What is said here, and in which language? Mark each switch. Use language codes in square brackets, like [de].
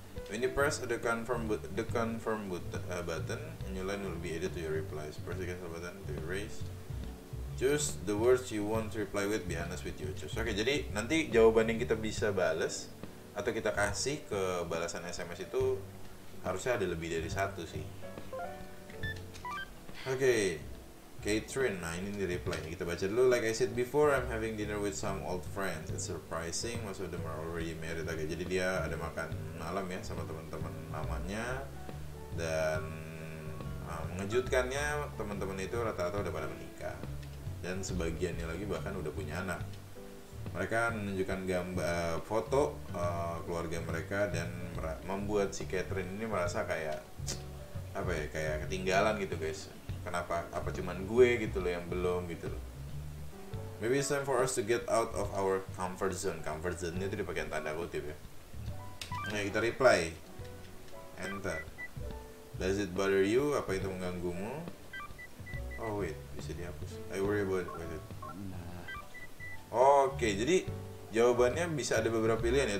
[en] When you press the confirm button, new line will be added to your replies. Press the cancel button to erase. Choose the words you want to reply with. Be honest with you. Choose. [id] Okay, jadi nanti jawaban yang kita bisa balas atau kita kasih ke balasan SMS itu harusnya ada lebih dari satu sih. Okay, Catherine. Nah ini di reply. Kita baca dulu. [en] Like I said before, I'm having dinner with some old friends. It's surprising. Most of them are already married. [id] Okay, jadi dia ada makan malam ya sama teman-teman lamanya. Dan mengejutkannya, teman-teman itu rata-rata udah pada menikah. Dan sebagiannya lagi bahkan udah punya anak. Mereka menunjukkan foto keluarga mereka dan membuat si Catherine ini merasa kayak apa ya, kayak ketinggalan gitu guys. Kenapa? Apa cuman gue gitu loh yang belum gitu loh. [en] Maybe it's time for us to get out of our comfort zone. [id] Comfort zone-nya itu dipakai tanda kutip ya. Nah kita reply. Enter. [en] Does it bother you? [id] Apa itu mengganggumu? [en] Oh wait, [id] bisa dihapus. [en] I worry about it. [id] Oke, jadi jawabannya bisa ada beberapa pilihan ya.